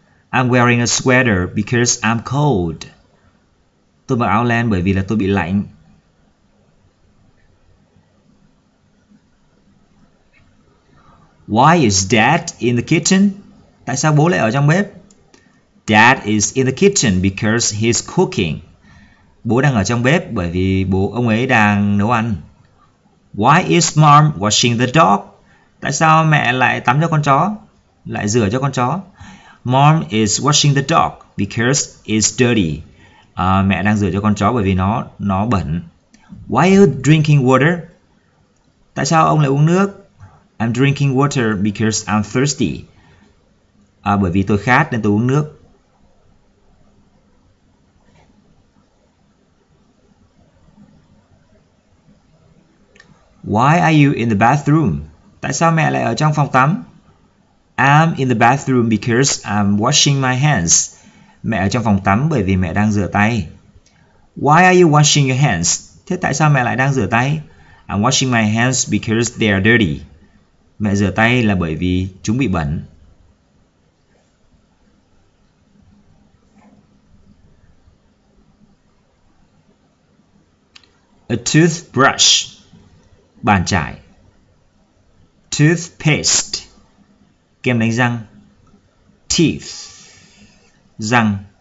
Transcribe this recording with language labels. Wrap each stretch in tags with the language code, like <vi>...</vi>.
<en>I'm wearing a sweater because I'm cold.</en> <vi>Tôi mặc áo len bởi vì là tôi bị lạnh.</vi> <en>Why is Dad in the kitchen?</en> <vi>Tại sao bố lại ở trong bếp?</vi> <en>Dad is in the kitchen because he's cooking.</en> <vi>Bố đang ở trong bếp bởi vì bố ông ấy đang nấu ăn.</vi> <en>Why is Mom washing the dog?</en> <vi>Tại sao mẹ lại tắm cho con chó? Lại rửa cho con chó?</vi> <en>Mom is washing the dog because it's dirty.</en> <vi>Mẹ đang rửa cho con chó bởi vì nó bẩn.</vi> <en>Why are you drinking water?</en> <vi>Tại sao ông lại uống nước?</vi> <en>I'm drinking water because I'm thirsty.</en> <vi>Bởi vì tôi khát nên tôi uống nước.</vi> <en>Why are you in the bathroom?</en> <vi>Tại sao mẹ lại ở trong phòng tắm?</vi> <en>I'm in the bathroom because I'm washing my hands.</en> <vi>Mẹ ở trong phòng tắm bởi vì mẹ đang rửa tay.</vi> <en>Why are you washing your hands?</en> <vi>Thế tại sao mẹ lại đang rửa tay?</vi> <en>I'm washing my hands because they are dirty.</en> <vi>Mẹ rửa tay là bởi vì chúng bị bẩn.</vi> <en>A toothbrush.</en> <vi>Bàn chải. Toothpaste. Kem đánh răng. Teeth. Răng.</vi>